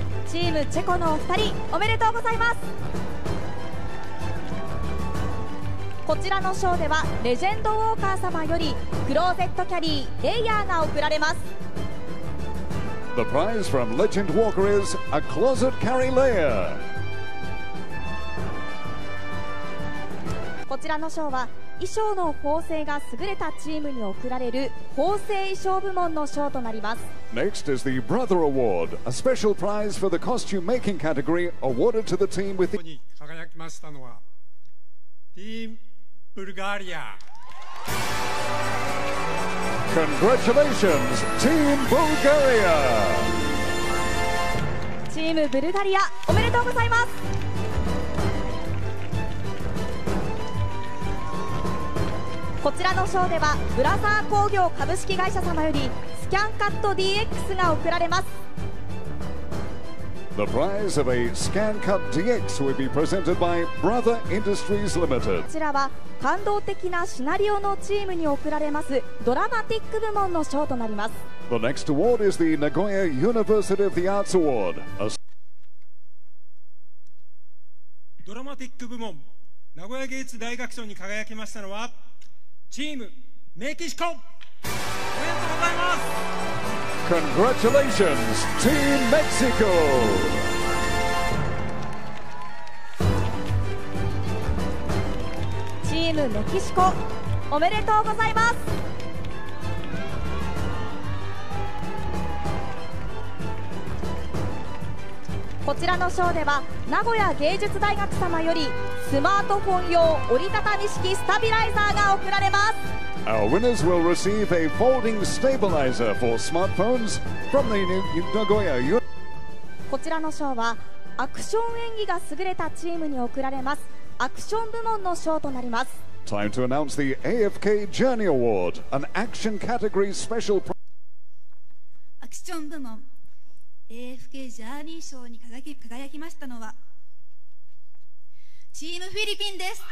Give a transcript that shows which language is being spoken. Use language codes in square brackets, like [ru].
[ja] Team Czech の二人、おめでとうございます。こちらの賞ではレジェンドウォーカー様よりクローゼットキャリーレイヤーが贈られます。 [en] The prize from Legend Walker is a closet carry layer. [ja] こちらの賞は衣装の縫製が優れたチームに贈られる縫製衣装部門の賞となります。 [en] Next is the Brother Award, a special prize for the costume making category awarded to the team with [ja] に輝きましたのはティームブルガリア。 [en] Congratulations, Team Bulgaria! [ja] チームブルガリア、おめでとうございます。こちらの賞ではブラザー工業株式会社様よりスキャンカット DX が贈られます。 [en] The prize of a scan cut DX will be presented by Brother Industries Limited. [ja] こちらは感動的なシナリオのチームに贈られますドラマティック部門の賞となります。 [en] The next award is the Nagoya University of the Arts Award. [ja] ドラマティック部門名古屋芸術大学賞に輝きましたのはチームメキシコ。おめでとうございます。 [en] Congratulations, Team Mexico! [ja] チームメキシコ、おめでとうございます。こちらの賞では名古屋芸術大学様よりスマートフォン用折りたたみ式スタビライザーが贈られます。 [en] Our winners will receive a folding stabilizer for smartphones from the Nagoya. [ja] こちらの賞はアクション演技が優れたチームに贈られます。アクション部門の賞となります。 [en] Time to announce the AFK Journey Award, an action category special prize. [ja] アクション部門 AFK Journey 賞に輝きましたのはチームフィリピンです。